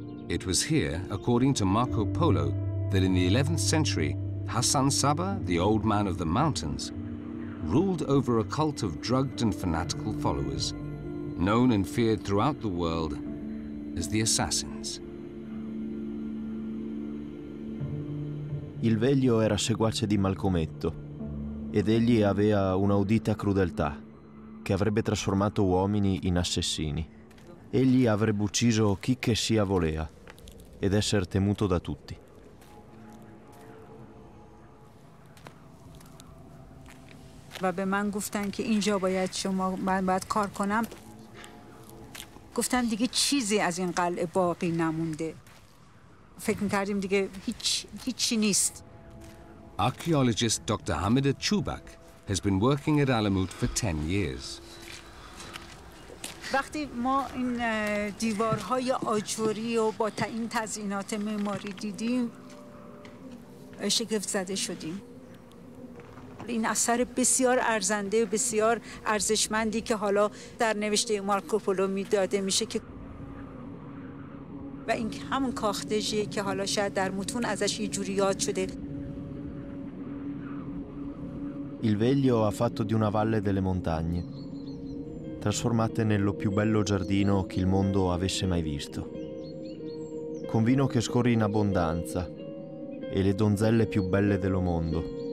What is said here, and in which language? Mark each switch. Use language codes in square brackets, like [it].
[en] It was here, according to Marco Polo, that in the 11th century, Hassan Saba, the old man of the mountains, ruled over a cult of drugged and fanatical followers, known and feared throughout the world as the Assassins. [it] Il veglio era seguace di Malcometto, ed egli aveva un'audita crudeltà che avrebbe trasformato uomini in assassini. Egli avrebbe ucciso chi che sia voleva, ed essere temuto da tutti. [fa] و به من گفتن که اینجا باید شما من باید کار کنم. گفتم دیگه چیزی از این قلعه باقی نمونده. فکر می‌کردیم دیگه هیچی نیست. [en] Archaeologist Dr. Hamid Chubak has been working at Alamut for 10 years. [fa] وقتی ما این دیوارهای آجوری و با این تزئینات معماری دیدیم شگفت زده شدیم. این اثر بسیار ارزنده و بسیار ارزشمندی که حالا در نوشته مارکوپولو میداده میشه که و این همون کاختژیه که حالا شاید در متون ازش یه جوری یاد شده. [it] Il veglio ha fatto di una valle delle montagne, trasformate nello più bello giardino che il mondo avesse mai visto. Con vino che scorre in abbondanza e le donzelle più belle del mondo.